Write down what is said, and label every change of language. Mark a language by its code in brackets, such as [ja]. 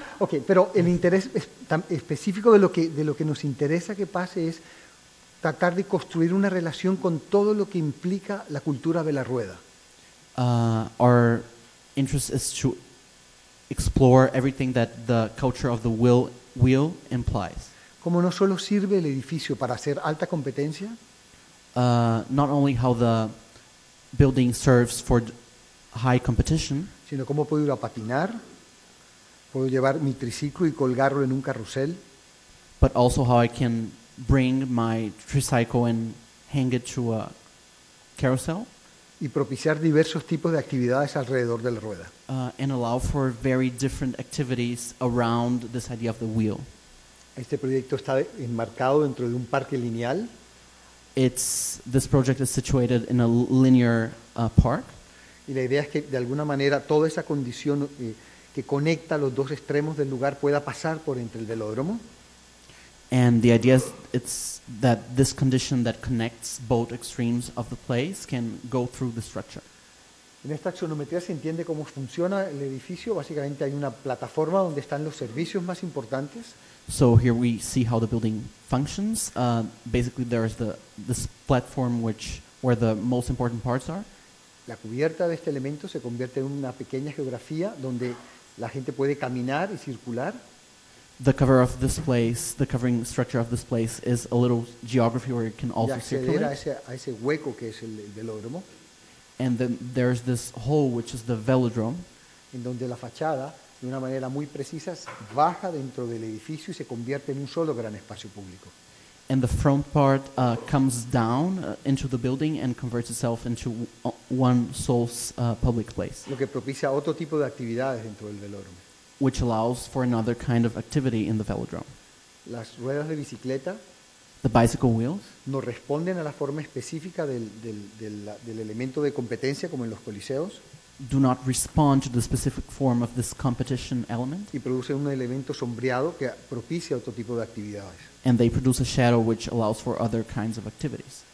[es] Okay, pero el interés específico de lo que nos interesa que pase es tratar de construir una relación con todo lo que implica la cultura de la rueda. [en] Our interest is to explore everything that the culture of the wheel implies. [es] Como no solo sirve el edificio para hacer alta competencia. [en] Not only how the building serves for high competition. [es] Sino cómo puedo ir a patinar. Puedo llevar mi triciclo y colgarlo en un carrusel. [en] But also how I can bring my tricycle and hang it to a carousel. [es] Y propiciar diversos tipos de actividades alrededor de la rueda. [en] And allow for very different activities around this idea of the wheel. [es] Este proyecto está enmarcado dentro de un parque lineal. [en] This project is situated in a linear park. [es] Y la idea es que de alguna manera toda esa condición que conecta los dos extremos del lugar pueda pasar por entre el velódromo. [en] And the idea is it's that this condition that connects both extremes of the place can go through the structure. [es] En esta axonometría se entiende cómo funciona el edificio. Básicamente hay una plataforma donde están los servicios más importantes. [en] So here we see how the building functions. Basically there is this platform where the most important parts are. [es] La cubierta de este elemento se convierte en una pequeña geografía donde la gente puede caminar y circular. [en] The cover of this place, the covering structure of this place is a little geography where you can also circulate. [es] A ese hueco que es el velódromo. [en] And then there's this hole which is the velodrome. [es] En donde la fachada, de una manera muy precisa, baja dentro del edificio y se convierte en un solo gran espacio público. [en] And the front part comes down into the building and converts itself into one sole public place. [es] Lo que propicia otro tipo de actividades dentro del velódromo. [en] Which allows for another kind of activity in the velodrome. [es] Las ruedas de bicicleta, [en] the bicycle wheels, [es] no responden a la forma específica del elemento de competencia como en los coliseos. [en] Do not respond to the specific form of this competition element. [es] Y produce un elemento sombreado que propicia otro tipo de actividades. [en] And they produce a shadow which allows for other kinds of activities.